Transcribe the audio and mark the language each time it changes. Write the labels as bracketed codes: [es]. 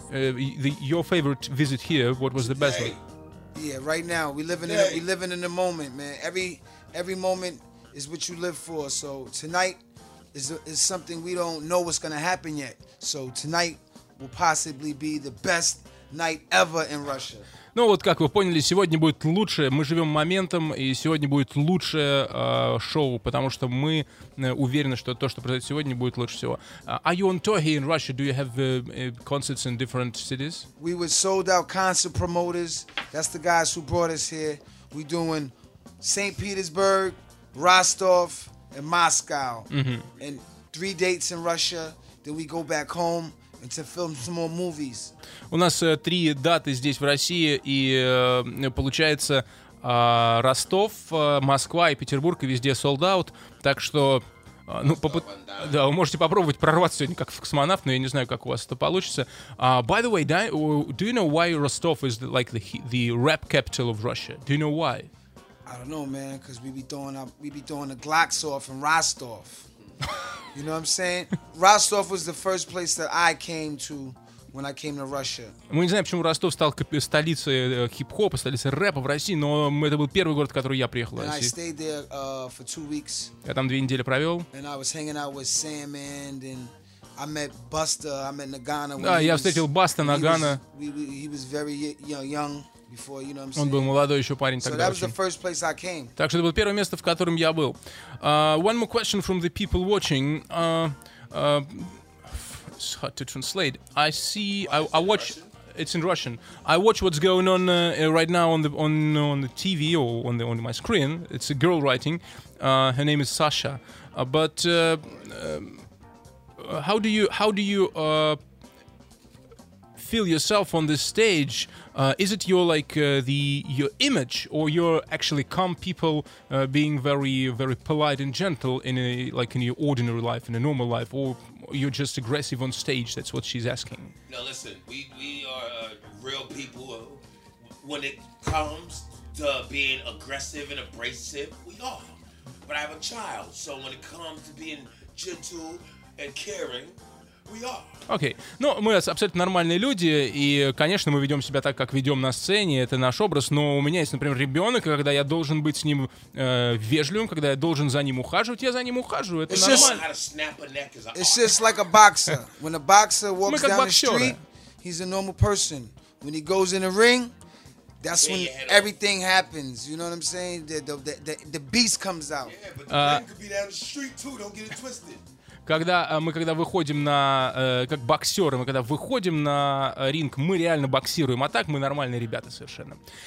[en] Your favorite visit here, what was the best one? Yeah, right now. We living in the moment, man. Every moment is what you live for. So tonight is something we don't know what's going to happen yet. So tonight will possibly be the best night ever in Russia. [ru] Ну вот, как вы поняли, сегодня будет лучшее, мы живем моментом, и сегодня будет лучшее шоу, потому что мы уверены, что то, что произойдет сегодня, будет лучше всего. [en] Are you on tour here in Russia? Do you have concerts in different cities? We were sold out concert promoters, that's the guys who brought us here. We're doing St. Petersburg, Rostov, and Moscow, mm-hmm. and three dates in Russia, then we go back home. To film some more movies. [ru] У нас три даты здесь в России, и получается Ростов, Москва и Петербург, и везде sold out. Так что, ну, да, вы можете попробовать прорваться сегодня как космонавт, но я не знаю, как у вас это получится. [en] By the way, do you know why Rostov is like the rap capital of Russia? Do you know why? I don't know, man, because we be throwing the Glocks off in Rostov. You know what I'm saying? Rostov was the first place that I came to when I came to Russia. [ru] Мы не знаем, почему Ростов стал столицей хип-хопа, столицей рэпа в России, но это был первый город, в который я приехал. [en] And I stayed there for 2 weeks. [ru] Я там две недели провел. [en] And I was hanging out with Sam and I met Busta, I met Nagana. [ru] Да, я встретил Баста, Нагана. [en] He was very young. Before, you know what I'm saying? [ru] Он был молодой еще парень [en] so [ru] тогда. [en] That was the first place I came. [ru] Так что это было первое место, в котором я был. [en] One more question from the people watching. It's hard to translate. I see. I watch. Russian? It's in Russian. I watch what's going on right now on the TV or on my screen. It's a girl writing. Her name is Sasha. But how do you feel yourself on this stage? Is it your your image or your actually calm people being very very polite and gentle in your ordinary life, in a normal life, or you're just aggressive on stage? That's what she's asking. Now listen, we are real people. When it comes to being aggressive and abrasive, we are. But I have a child, so when it comes to being gentle and caring. [ru] Окей. Ну, мы абсолютно нормальные люди, и, конечно, мы ведем себя так, как ведем на сцене, это наш образ, но у меня есть, например, ребенок, и когда я должен быть с ним вежливым, когда я должен за ним ухаживать, я за ним ухаживаю, это [en] it's [ru] нормально. [en] It's just like a boxer. When a boxer walks down the street, he's a normal person. When he goes in the ring, that's when everything happens, you know what I'm saying? The beast comes out. Yeah, but the ring could be down the street too, don't get it twisted. [ru] Когда мы выходим на как боксеры, мы когда выходим на ринг, мы реально боксируем, а так мы нормальные ребята совершенно.